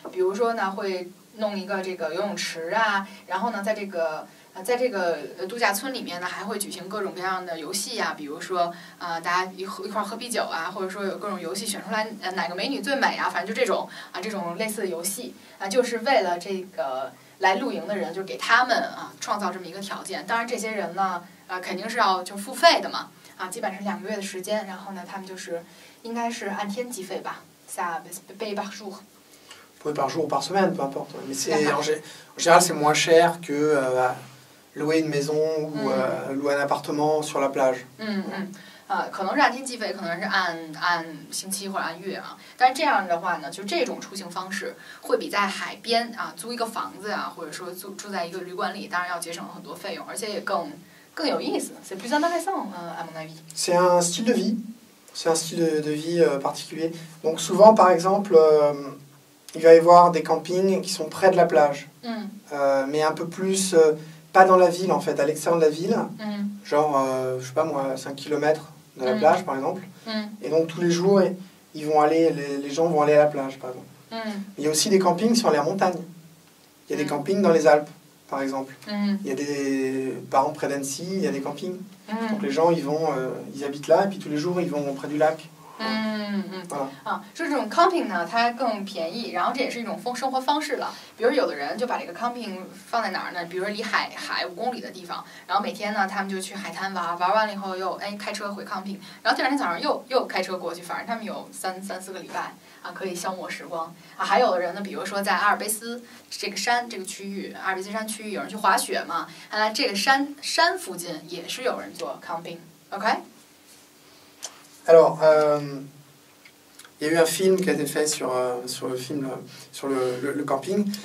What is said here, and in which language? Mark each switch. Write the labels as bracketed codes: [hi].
[zh] 比如说呢，会弄一个这个游泳池啊，然后呢，在这个度假村里面呢，还会举行各种各样的游戏啊，比如说大家一块儿喝啤酒啊，或者说有各种游戏选出来哪个美女最美啊，反正就这种啊，这种类似的游戏啊，就是为了这个来露营的人，就给他们啊创造这么一个条件。当然，这些人呢。肯定是要就付费的嘛，啊，基本上两个月的时间，然后呢，他们就是应该是按天计费吧， [fr] par jour ou par semaine peu importe, mais c'est en général c'est moins cher que louer une maison ou louer un appartement sur la plage. [zh] 可能是按天计费，可能是按星期或者按月啊。但是这样的话呢，就这种出行方式会比在海边啊租一个房子啊，或者说住在一个旅馆里，当然要节省很多费用，而且也更有意思。 [fr] C'est plus intéressant, à mon avis. C'est un style de vie. C'est un style de vie particulier. Donc souvent, par exemple, il va y avoir des campings qui sont près de la plage. Mais un peu plus, pas dans la ville, en fait, à l'extérieur de la ville. Genre, je sais pas moi, 5 km de la plage, par exemple. Et donc tous les jours, les gens vont aller à la plage, par exemple. Il y a aussi des campings sur la montagne. Il y a des campings dans les Alpes. Par exemple, il y a des parents près d'Annecy, il y a des campings. Donc les gens, ils habitent là, et puis tous les jours, ils vont près du lac. Voilà. [zh] 这种 camping 呢，它更便宜，然后这也是一种生活方式了。比如有的人就把这个 camping 放在哪儿呢？比如离海5公里的地方，然后每天呢，他们就去海滩玩完了以后又开车回 camping， 然后第二天早上又开车过去，反正他们有三四个礼拜。啊，可以消磨时光啊！还有的人呢，比如说在阿尔卑斯这个山这个区域，阿尔卑斯山区域有人去滑雪嘛？看来这个山附近也是有人做 camping， OK？ [fr] Alors, il y a eu un film qui a été fait sur le film sur le camping.